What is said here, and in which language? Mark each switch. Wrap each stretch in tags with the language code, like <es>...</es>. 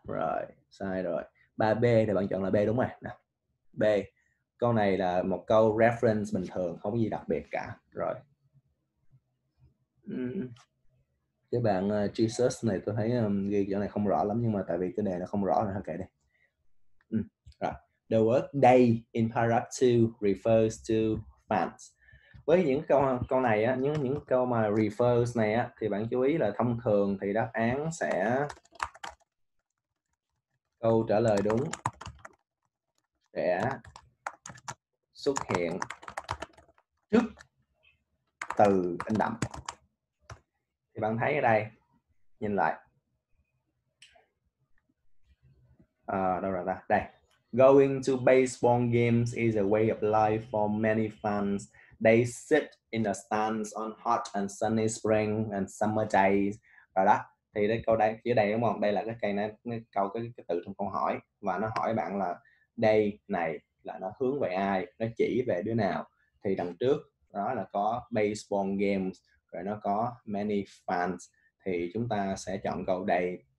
<vi>Rồi, sai rồi. 3B thì bạn chọn là B đúng rồi. Nào, B. Câu này là một câu reference bình thường, không có gì đặc biệt cả. Rồi. Cái bạn Jesus này tôi thấy ghi chỗ này không rõ lắm, nhưng mà tại vì cái đề nó không rõ nên thôi kệ đi. Rồi.</vi> <en>The word day in paragraph 2 refers to fans.</en> <vi>Với những câu này á, những câu mà refers này á, thì bạn chú ý là thông thường thì đáp án sẽ câu trả lời đúng sẽ xuất hiện trước từ in đậm. Thì bạn thấy ở đây, nhìn lại à, đâu rồi ta, đây.</vi> <en>Going to baseball games is a way of life for many fans. They sit in the stands on hot and sunny spring and summer days.</en> <vi>Rồi đó, thì cái câu đây phía đây đúng không? Đây là cái cây này, cái câu cái từ trong câu hỏi, và nó hỏi bạn là đây này là nó hướng về ai, nó chỉ về đứa nào. Thì đằng trước đó là có baseball games, rồi nó có many fans, thì chúng ta sẽ chọn câu đây.</vi>